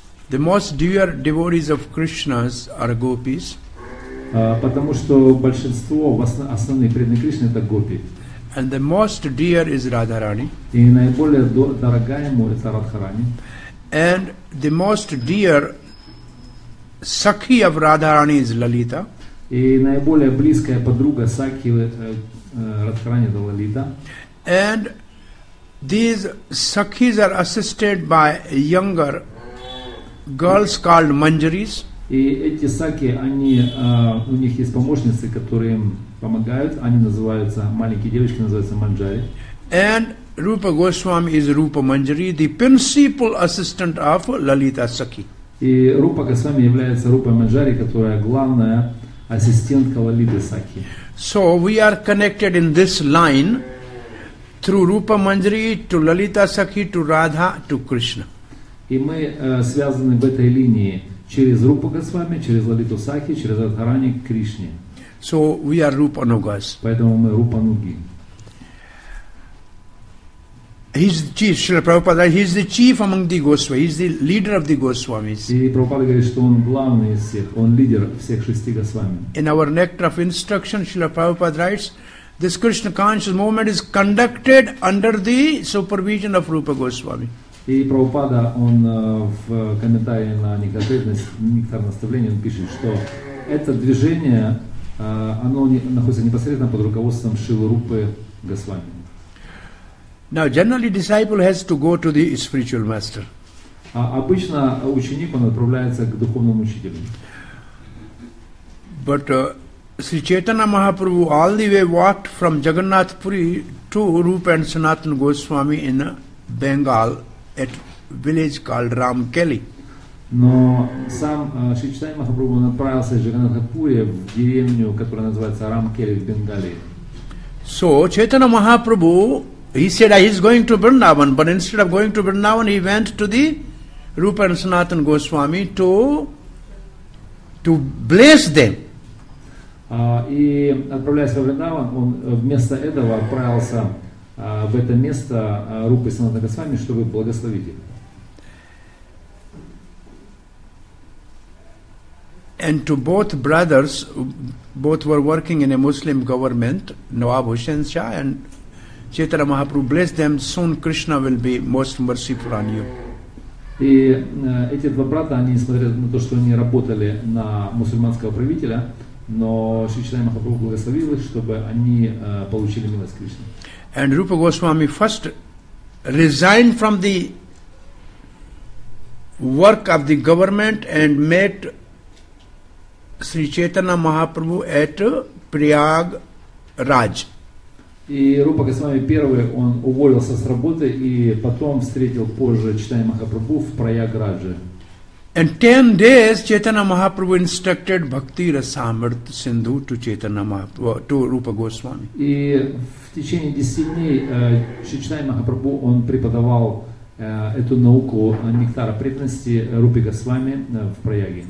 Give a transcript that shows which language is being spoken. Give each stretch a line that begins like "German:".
English: The most dear devotees of Krishna's are gopis.
Russian: Потому что большинство, основные преданные Кришны, это гопи.
English: And the most dear is Radharani.
Russian: И наиболее дорогая ему это Радхарани.
English: And the most dear Sakhi of Radharani is Lalita.
Russian: И наиболее близкая подруга Сакхи Радхарани это Лалита.
English: And these Sakhis are assisted by younger girls called Manjaris.
Russian: И эти Сакхи, они, у них есть помощницы, которые им помогают. Они называются, маленькие девочки называются Манджари.
English: And Rupa Goswami is Rupa Manjari, the principal assistant of Lalita Sakhi.
Russian: И Rupa Goswami является Rupa Manjari, которая главная ассистентка Лалиты Сакхи.
English: So we are connected in this line through Rupa Manjari to Lalita Sakhi to Radha to Krishna.
Russian: И мы связаны в этой линии через Rupa Goswami, через Лалиту Сакхи, через Радхарани к Кришне.
English: So we are Rupa Anugas.
Russian: Поэтому мы Rupa Anugi.
English: He's the chief among the Goswami. He's the leader of the Goswamis.
Russian: И Прабхупада говорит, что он главный из всех. Он лидер всех шести Госвами.
English: In our Nectar of Instruction, Srila Prabhupada writes, this Krishna conscious movement is conducted under the supervision of Rupa Goswami.
Russian: И Прабхупада, он в комментарии на Нектар наставления, он пишет, что это движение, оно находится непосредственно под руководством Шрилы Рупы Госвами.
English: Now, generally, disciple has to go to the spiritual master.
Russian: А обычно ученик он отправляется к духовному учителю.
English: But Sri Chaitanya Mahaprabhu all the way walked from Jagannath Puri to Rupa and Sanatana Goswami in Bengal at a village called Ramkeli.
Russian: Но сам Шри Чайтанья Махапрабху направился из Джаганнатхапури в деревню, которая называется Рамкели в Бенгалии.
English: So, Chaitanya Mahaprabhu, he said, he is going to Vrindavan, but instead of going to Vrindavan, he went to the Rupa and Sanatana Goswami to bless them.
Russian: И отправляясь во Вриндаван, он вместо этого отправился в это место Рупы и Санатана Госвами, чтобы благословить их.
English: And to both brothers, both were working in a Muslim government, Nawab Hussain Shah and Chaitanya Mahaprabhu, bless them, soon Krishna will be most merciful on you.
Russian: И эти два брата, они, несмотря на то, что они работали на мусульманского правителя, но Шри Чайтанья Махапрабху благословил их, чтобы они получили милость Кришны.
English: And Rupa Goswami first resigned from the work of the government and met Sri Chaitanya Mahaprabhu at Prayag Raj.
Russian: И Рупа Госвами первый, он уволился с работы и потом встретил позже Чайтанья Махапрабху в Прайаг Радже.
English: And 10 days Chaitanya Mahaprabhu instructed Bhakti Rasamrit Sindhu to Chaitanya Mahaprabhu, to Rupa Goswami.
Russian: И в течение 10 дней Чайтанья Махапрабху он преподавал эту науку нектара преданности Рупе Госвами в Праяге.